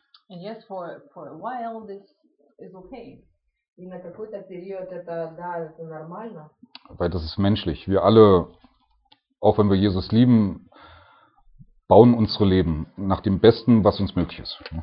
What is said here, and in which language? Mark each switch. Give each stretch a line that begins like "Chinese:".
English: And yes, for a while this is okay.
Russian: И на какой-то период это, да, это нормально.
German: Weil das ist menschlich. Wir alle, auch wenn wir Jesus lieben, bauen unsere Leben nach dem Besten, was uns möglich ist.